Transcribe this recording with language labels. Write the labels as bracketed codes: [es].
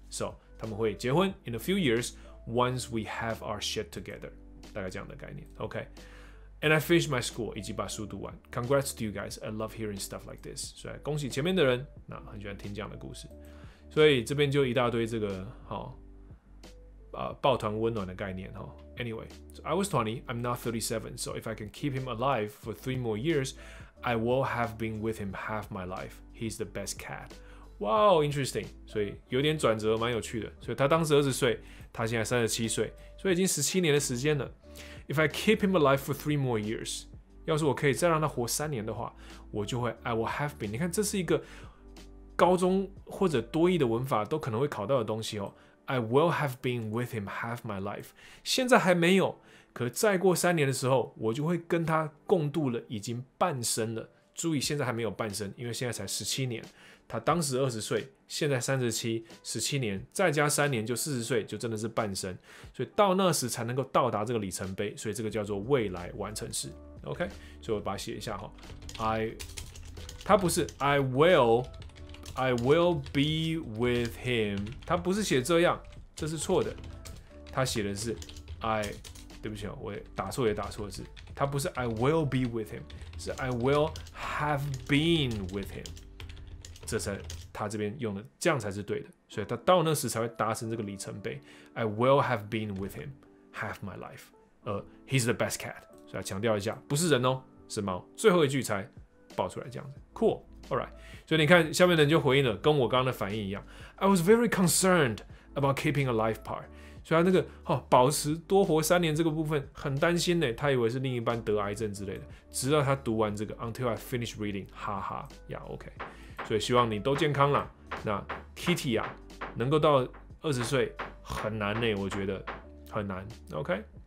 [en] So， [zh] 他们会结婚 [en] in a few years once we have our shit together， [zh] 大概这样的概念。 [en] OK， and I finished my school， [zh] 以及把书读完。 [en] Congrats to you guys， I love hearing stuff like this。 [zh] 所以恭喜前面的人，那很喜欢听这样的故事。所以这边就一大堆这个好，抱团温暖的概念哈。 [en] Anyway, so I was 20, I'm now 37, so if I can keep him alive for 3 more years, I will have been with him half my life. He's the best cat. Wow, interesting. [zh] 所以有点转折，蛮有趣的。所以他当时20岁，他现在37岁，所以已经17年的时间了。 [en] If I keep him alive for 3 more years, [zh] 要是我可以再让他活3年的话，我就会 [en] I will have been. [zh] 你看这是一个高中或者多益的文法都可能会考到的东西哦。 [en] I will have been with him half my life. [zh] 现在还没有，可再过3年的时候，我就会跟他共度了已经半生了。注意现在还没有半生，因为现在才17年。他当时20岁，现在37，17年，再加3年就40岁，就真的是半生。所以到那时才能够到达这个里程碑，所以这个叫做未来完成式。 OK， 所以我把它写一下哈。他不是 [en] I will be with him， [zh] 他不是写这样，这是错的。他写的是 I， 对不起，我打错也打错字。他不是 [en] I will be with him， [zh] 是 [en] I will have been with him。 [zh] 这才他这边用的，这样才是对的。所以他到那时才会达成这个里程碑。 [en] I will have been with him half my life。 He's the best cat。 [zh] 所以要强调一下，不是人哦，是猫。最后一句才爆出来这样子 ，Cool。Alright， 所以你看下面人就回应了，跟我刚刚的反应一样。 [en] I was very concerned about keeping a life part。 [zh] 所以他那个哦，保持多活三年这个部分很担心呢，他以为是另一半得癌症之类的。直到他读完这个 ， [en] Until I finish reading， [zh] 哈哈呀、yeah, ，OK。所以希望你都健康啦。那 Kitty 啊，能够到20岁很难呢，我觉得很难。OK。